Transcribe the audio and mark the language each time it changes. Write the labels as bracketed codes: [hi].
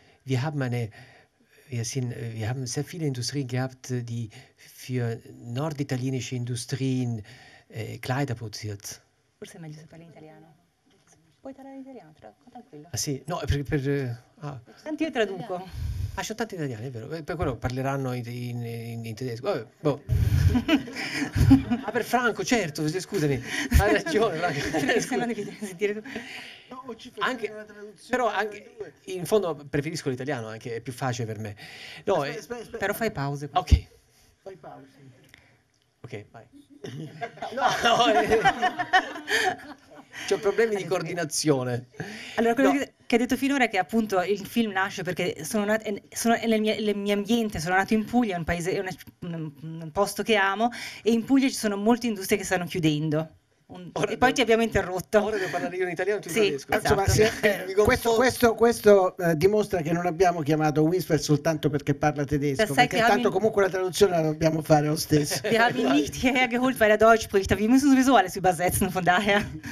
[de] Wir haben sehr viele Industrien gehabt, die für norditalienische Industrien Kleider produziert. [it] Forse è meglio se parli in italiano. Puoi parlare in italiano, tranquillo. Ah sì, no, per Senti, io traduco. Ah, c'ho tanti italiani, è vero. Per quello parleranno in tedesco. Vabbè, Ah, per Franco, certo, scusami. Hai ragione, Franco. Anche, però anche, in fondo preferisco l'italiano, anche è più facile per me. No, aspetta. Però fai pause. Poi. Ok. Fai pause. Ok, vai. No. C'ho problemi di coordinazione. Allora, quello no. che... che ha detto finora che appunto il film nasce perché sono nato, sono nel mio ambiente, sono nato in Puglia, un paese, un posto che amo, e in Puglia ci sono molte industrie che stanno chiudendo. Ora, e poi ti abbiamo interrotto. Ora devo parlare io in italiano, tu in tedesco. Sì, esatto. Questo dimostra che non abbiamo chiamato Winsper soltanto perché parla tedesco, perché tanto comunque la traduzione la dobbiamo fare lo stesso. [de] Wir haben nicht hergeholt, weil der Deutsch spricht, wir müssen sowieso alles übersetzen, von daher.